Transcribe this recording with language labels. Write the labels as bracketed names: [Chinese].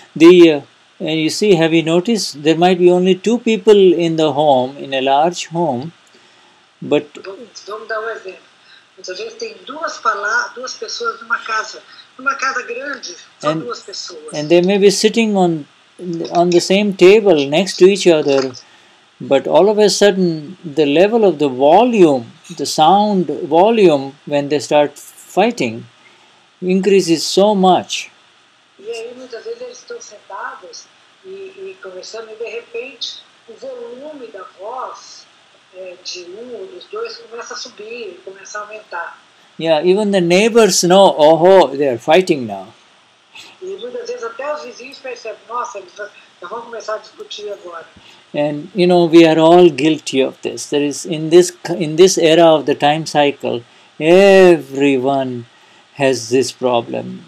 [English] Have you noticed there might be only two people in the home, in a large home, but [Portuguese] vamos dar um exemplo. Muitas vezes tem duas pessoas numa casa grande, são duas pessoas. [English] And they may be sitting on the same table next to each other. But all of a sudden, the level of the volume, the sound volume, when they start fighting, increases so much. [Portuguese] E aí, muitas vezes, eles estão sentados e conversando, e de repente, o volume da voz de um ou dos dois começa a subir, começa a aumentar. [English] Yeah, even the neighbors know, they are fighting now. [Portuguese] E muitas vezes, até os vizinhos percebem, nossa, eles vão começar a discutir agora. [English] And you know, we are all guilty of this. There is in this era of the time cycle, everyone has this problem.